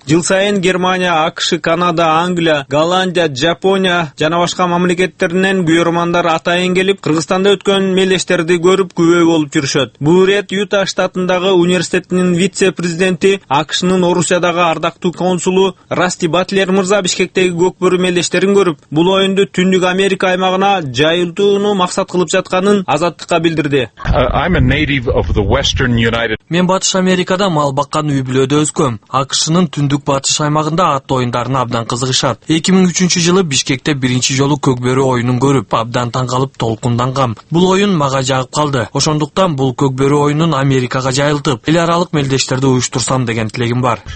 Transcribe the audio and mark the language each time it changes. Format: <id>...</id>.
<ky>Жыл сайын Германия, АКШ, Канада, Англия, Голландия, Жапония жана башка мамлекеттеринен буйурмандар атайын келип Кыргызстанда өткөн мелештерди көрүп күбөй болуп жүрүшөт. Бул ирет Юта штатындагы университеттин вице-президенти, АКШнын Орусиядагы ардактуу консулу Расти Батлер мырза Бишкектеги көкбөрү мелештерин көрүп, бул оюнду Түндүк Америка аймагына жайылтууну максат кылып жатканын Азаттыкка билдирди.</ky> <en>I'm a native of the Western United.</en> <ky>Мен Батыш Америкада мал баккан үй бүлөдө өскөм. АКШнын Түндүк Батыш аймагында ат оюндарына абдан кызыгышат. 2003 жылы Бишкекте биринчи жолу көкбөрү оюнун көрүп, абдан таң калып толкундангам. Бул оюн мага жагып калды. Ошондуктан бул көкбөрү оюнун Америкага жайылтып, эл аралык мелдештерди уюштурсам деген тилегим бар.</ky>